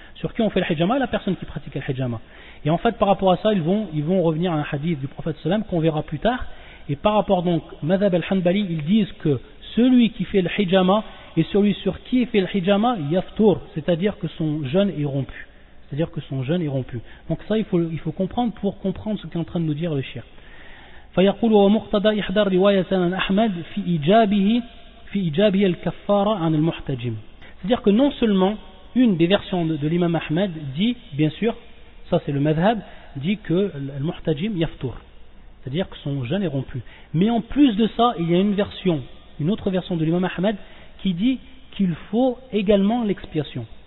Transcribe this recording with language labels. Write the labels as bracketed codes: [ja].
[fr] Sur qui on fait al-hijama, la personne qui pratique al-hijama. Et en fait, par rapport à ça, ils vont revenir à un hadith du prophète sallam qu'on verra plus tard. Et par rapport donc à Madhab al-Hanbali, ils disent que celui qui fait al-hijama et celui sur qui fait al-hijama, yaftur. C'est-à-dire que son jeûne est rompu. C'est-à-dire que son jeûne est rompu. Donc ça, il faut comprendre pour comprendre ce qu'est en train de nous dire le shir. [ar] فيقول ومقتضى إحدى الروايات عن أحمد في إجابه الكفارة عن المحتجم. [fr] C'est-à-dire que non seulement une des versions de l'imam Ahmed dit, bien sûr, ça c'est le madhhab, dit que le muhtajim yaftur, c'est-à-dire que son jeûne est rompu. Mais en plus de ça, il y a une autre version de l'imam Ahmed qui dit qu'il faut également l'expiation.